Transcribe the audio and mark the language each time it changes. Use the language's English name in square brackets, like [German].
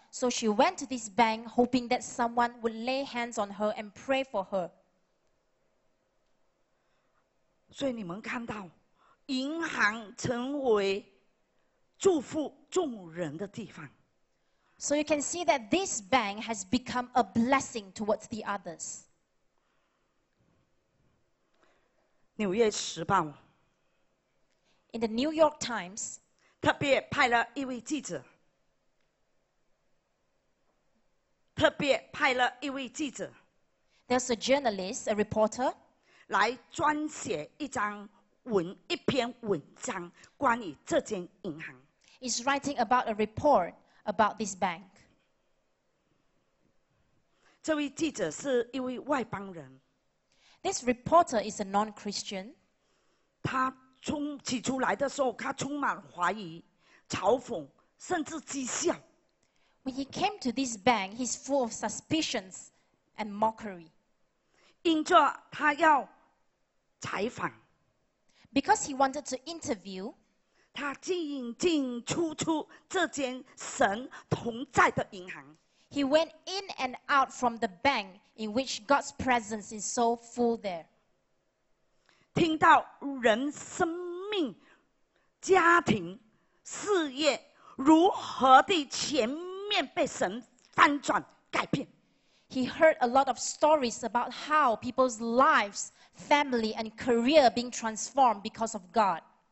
[English] So she went to this bank hoping that someone would lay hands on her and pray for her. [Chinese] 所以你们看到，银行成为祝福众人的地方。 [English] So you can see that this bank has become a blessing towards the others. [Chinese] 纽约时报。 [English] In the New York Times. [Chinese] 特别派了一位记者。特别派了一位记者。 [English] There's a journalist, a reporter. [Chinese] 来撰写一篇文章关于这间银行。 [English] He's writing about a report. About this bank. [Chinese] 这位记者是一位外邦人。 [English] This reporter is a non-Christian. [Chinese] 他起初来的时候，他充满怀疑、嘲讽，甚至讥笑。 [English] When he came to this bank, he's full of suspicions and mockery. [Chinese] 因着他要采访。 [English] Because he wanted to interview. [Chinese] 他进进出出这间神同在的银行。 [English] He went in and out from the bank in which God's presence is so full there. [Chinese] 听到人生命、家庭、事业如何的全面被神翻转改变。 [English] He heard a lot of stories about how people's lives, family, and career being transformed because of God.